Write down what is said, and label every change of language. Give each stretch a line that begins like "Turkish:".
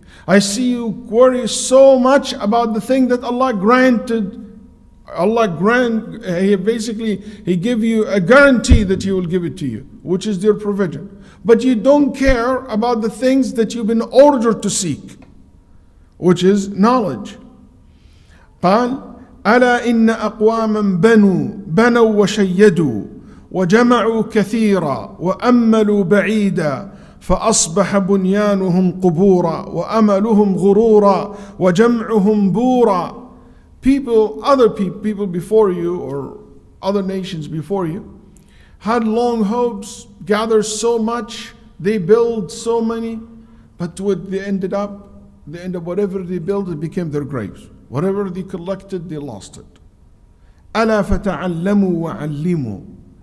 English: I see you worry so much about the thing that Allah granted. He gave you a guarantee that He will give it to you, which is your provision. But you don't care about the things that you've been ordered to seek, which is knowledge.
Arabic: قال ألا إن أقواما بنوا وشيدوا وجمعوا كثيرا وأملوا بعيدا فأصبح بنيانهم قبورا وأملهم غرورا وجمعهم بورا.
English: People before you or other nations before you had long hopes, gathered so much, they build so many, but what they ended up, the end of whatever they built, it became their graves. Whatever they collected, they lost it.
Arabic: أَلَا فَتَعَلَّمُوا وَعَلِّمُوا.